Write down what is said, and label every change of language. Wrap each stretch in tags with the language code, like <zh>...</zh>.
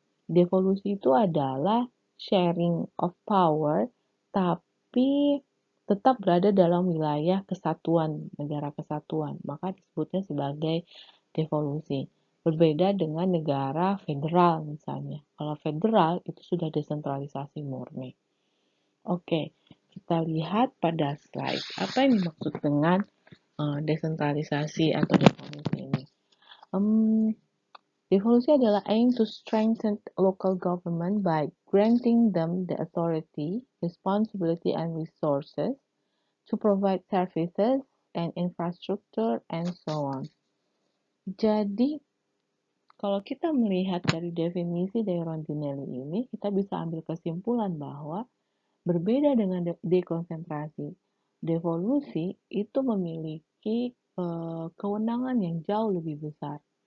<id>Devolusi itu adalah</id> <en>sharing of power,</en> <id>tapi tetap berada dalam wilayah kesatuan, negara kesatuan. Maka disebutnya sebagai devolusi. Berbeda dengan negara federal misalnya. Kalau federal itu sudah desentralisasi murni. Oke, kita lihat pada slide. Apa yang dimaksud dengan desentralisasi atau devolusi ini? Devolusi adalah</id> <en>aim to strengthen local government by granting them the authority, responsibility, and resources to provide services and infrastructure, and so on.</en> <id>Jadi, kalau kita melihat dari definisi dari Rondinelli ini, kita bisa ambil kesimpulan bahwa berbeda dengan dekonsentrasi, devolusi itu memiliki kewenangan yang jauh lebih besar.</id>